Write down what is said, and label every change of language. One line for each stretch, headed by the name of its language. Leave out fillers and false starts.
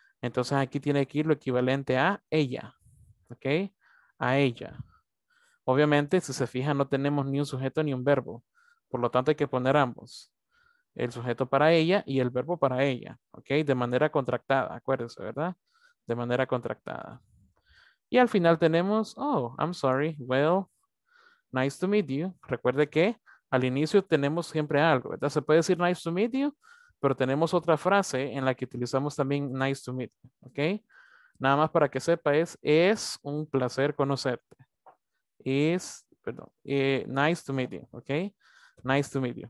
Spanish: Entonces aquí tiene que ir lo equivalente a ella, ¿ok? A ella. Obviamente, si se fija, no tenemos ni un sujeto ni un verbo. Por lo tanto, hay que poner ambos. El sujeto para ella y el verbo para ella, ¿ok? De manera contractada, acuérdense, ¿verdad? De manera contractada. Y al final tenemos,
English: oh, I'm sorry, well, nice to meet you.
Spanish: Recuerde que al inicio tenemos siempre algo, ¿verdad? Se puede decir
English: nice to meet you,
Spanish: pero tenemos otra frase en la que utilizamos también nice to meet you, ¿ok? Nada más para que sepa es un placer conocerte.
English: Nice to meet you, ¿ok? Nice to meet you.